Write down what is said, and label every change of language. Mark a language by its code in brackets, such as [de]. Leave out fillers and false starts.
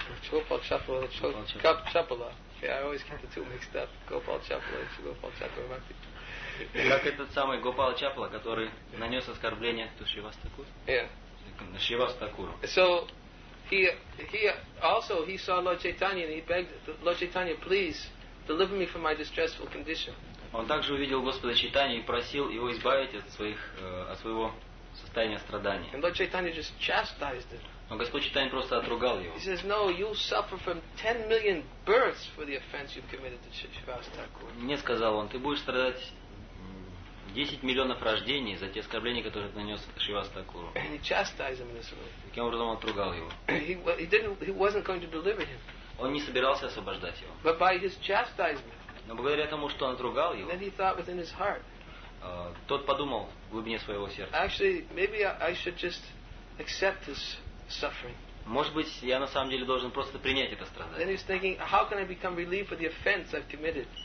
[en] Gopal Chakravarti. Yeah, I always get the two mixed up. Gopal Chapala and Gopal Chakravarti. [ru] Как этот самый Гопал Чапала, который нанес оскорбление Шивастаку? [en] Yeah. [ru] Шивастакуру. [en] So he saw Lord Chaitanya and he begged Lord Chaitanya, please deliver me from my distressful condition. [ru] Он также увидел Господа Чайтанью и просил его избавить от своих от своего состояния страдания. [en] And Lord Chaitanya just chastised him. [ru] Но Господь Чайтанья просто отругал его. [en] He says, "No, you suffer from 10 million births for the offense you've committed to Shivas Thakur." [ru] Не сказал он, ты будешь страдать 10 миллионов рождений за те оскорбления, которые ты нанес Шивас Такуру. [en] And he chastised him this way. [ru] Таким образом он отругал его. [en] He wasn't going to deliver him. [ru] Он не собирался освобождать его. [en] But by his chastisement. [ru] Но благодаря тому, что он отругал его. [en] Then he thought within his heart. [ru] Тот подумал в глубине своего сердца. [en] Actually, maybe I should just accept this. [ru] Может быть, я на самом деле должен просто принять это страдание.